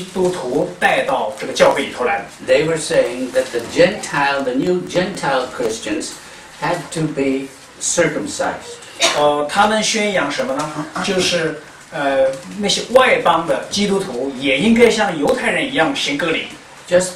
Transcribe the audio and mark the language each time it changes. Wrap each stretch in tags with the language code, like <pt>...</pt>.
<zh>这种异端呢，是由犹太教背景的基督徒带到这个教会里头来的。</zh> <en>They were saying that the new Gentile Christians had to be circumcised.</en> <zh>他们宣扬什么呢？就是。那些外邦的基督徒也应该像犹太人一样行割礼。</zh> <en>Just</en>